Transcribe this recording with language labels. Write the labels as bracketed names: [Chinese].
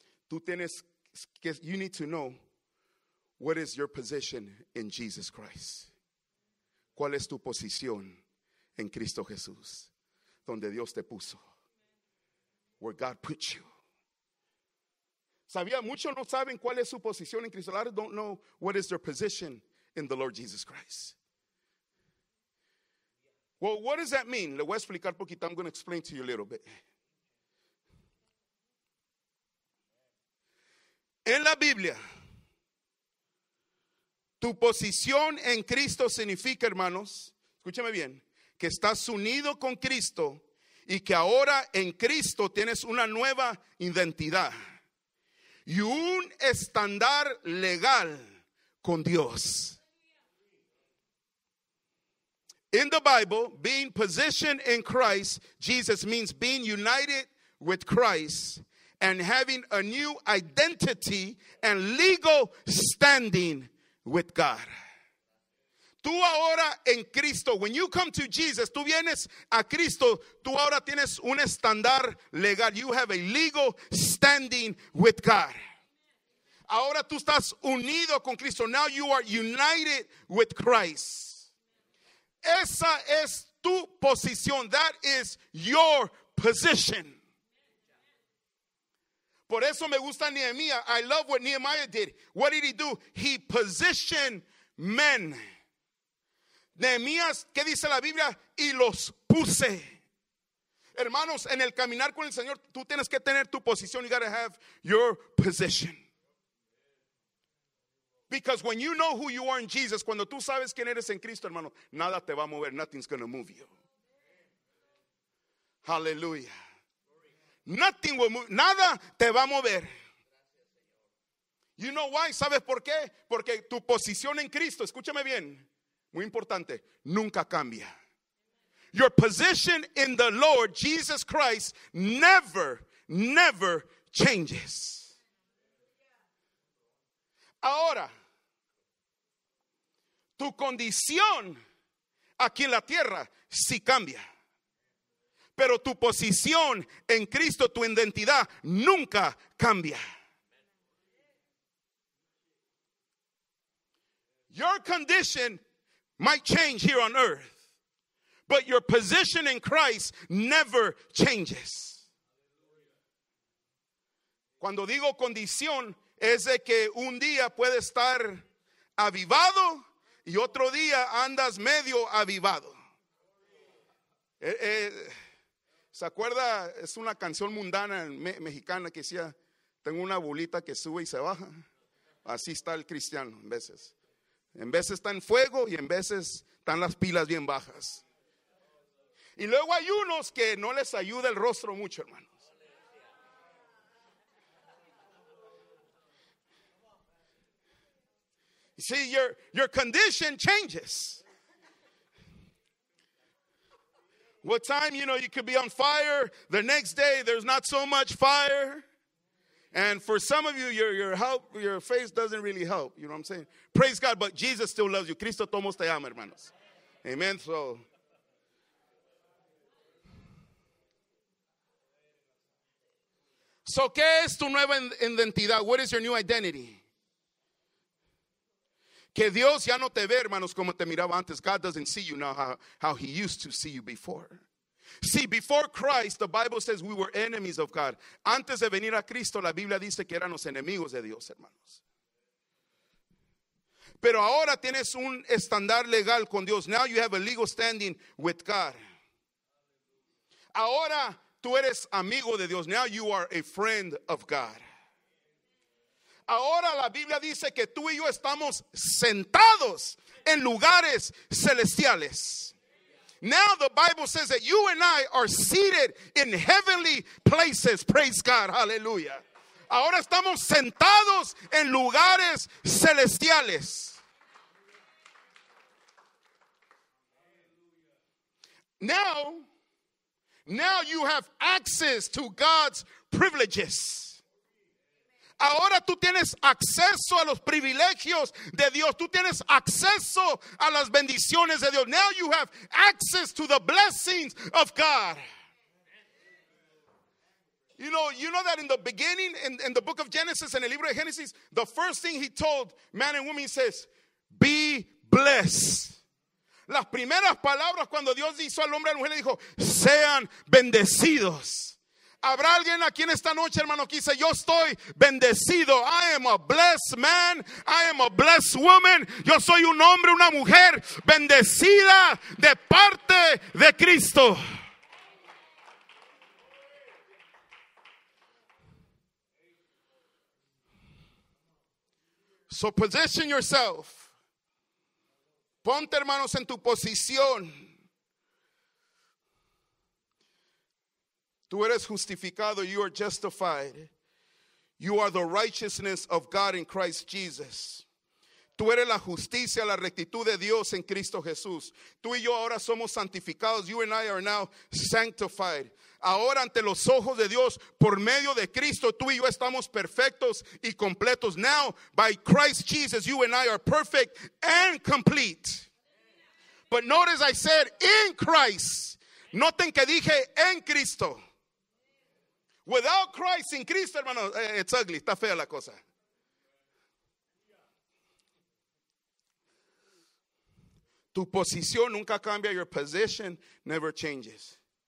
[Spanish] Tú tienes, [English] you need to know what is your position in Jesus Christ. [Spanish] ¿Cuál es tu posición en Cristo Jesús? Donde Dios te puso. [English] Where God put you. [Spanish] Sabía, muchos no saben cuál es su posición en Cristo. [English] A lot of don't know what is their position in the Lord Jesus Christ. Well, what does that mean? [Spanish] Le voy a explicar poquito. [English] I'm going to explain to you a little bit. [Spanish] En la Biblia, tu posición en Cristo significa, hermanos, escúchame bien, que estás unido con Cristo y que ahora en Cristo tienes una nueva identidad. Y un estándar legal con Dios. [English] In the Bible, being positioned in Christ, Jesus means being united with Christ and having a new identity and legal standing with God. [Spanish] Tú ahora en Cristo, [English] when you come to Jesus, [Spanish] tú vienes a Cristo, tú ahora tienes un estándar legal. [English] You have a legal standing with God. [Spanish] Ahora tú estás unido con Cristo. [English] Now you are united with Christ. [Spanish] Esa es tu posición. [English] That is your position. [Spanish] Por eso me gusta Nehemiah. [English] I love what Nehemiah did. What did he do? He positioned men. [Spanish] Nehemías, ¿qué dice la Biblia? Y los puse. Hermanos, en el caminar con el Señor, tú tienes que tener tu posición. [English] You got to have your position. Because when you know who you are in Jesus, [Spanish] cuando tú sabes quién eres en Cristo, hermano, nada te va a mover. [English] Nothing's going to move you. [Spanish] Hallelujah. [English] Nothing will move. [Spanish] Nada te va a mover. [English] You know why? [Spanish] ¿Sabes por qué? Porque tu posición en Cristo, escúchame bien, muy importante, nunca cambia. [English] Your position in the Lord Jesus Christ never, never changes. [Spanish] Ahora, tu condición aquí en la tierra sí cambia. Pero tu posición en Cristo, tu identidad, nunca cambia. [English] Your condition might change here on earth, but your position in Christ never changes. [Spanish] Cuando digo condición, es de que un día puedes estar avivado y otro día andas medio avivado. ¿Se acuerda? Es una canción mundana mexicana que decía, tengo una bolita que sube y se baja. Así está el cristiano a veces. En veces está en fuego y en veces están las pilas bien bajas. Y luego hay unos que no les ayuda el rostro mucho, hermanos. [English] You see, your condition changes. What time, you know, you could be on fire. The next day, there's not so much fire. And for some of you, your face doesn't really help. You know what I'm saying? Praise God, but Jesus still loves you. [Spanish] Cristo tomos te ama, hermanos. Amen. So, ¿qué es tu nueva identidad? [English] What is your new identity? [Spanish] Que Dios ya no te ve, hermanos, como te miraba antes. [English] God doesn't see you now how he used to see you before. See, before Christ, the Bible says we were enemies of God. [Spanish] Antes de venir a Cristo, la Biblia dice que éramos enemigos de Dios, hermanos. Pero ahora tienes un estándar legal con Dios. [English] Now you have a legal standing with God. [Spanish] Ahora tú eres amigo de Dios. [English] Now you are a friend of God. [Spanish] Ahora la Biblia dice que tú y yo estamos sentados en lugares celestiales. [English] Now the Bible says that you and I are seated in heavenly places. Praise God. Hallelujah. [Spanish] Ahora estamos sentados en lugares celestiales. [English] Now you have access to God's privileges. [Spanish] Ahora tú tienes acceso a los privilegios de Dios. Tú tienes acceso a las bendiciones de Dios. [English] Now you have access to the blessings of God. You know that in the beginning, in the book of Genesis, in the [Spanish] libro de Genesis, [English] the first thing he told man and woman, he says, be blessed. [Spanish] Las primeras palabras cuando Dios hizo al hombre y a la mujer, le dijo, sean bendecidos. ¿Habrá alguien aquí en esta noche, hermano, que dice, yo estoy bendecido? [English] I am a blessed man. I am a blessed woman. [Spanish] Yo soy un hombre, una mujer bendecida de parte de Cristo. [English] So position yourself. [Spanish] Ponte, hermanos, en tu posición. Tú eres justificado, [English] you are justified. You are the righteousness of God in Christ Jesus. [Spanish] Tú eres la justicia, la rectitud de Dios en Cristo Jesús. Tú y yo ahora somos santificados. [English] You and I are now sanctified. [Spanish] Ahora ante los ojos de Dios, por medio de Cristo, tú y yo estamos perfectos y completos. [English] Now, by Christ Jesus, you and I are perfect and complete. But notice I said, in Christ. [Spanish] Noten que dije, en Cristo. [English] Without Christ, [Spanish] sin Cristo, hermano, [English] it's ugly, [Spanish] está fea la cosa. Tu posición nunca cambia, [English] your position never changes.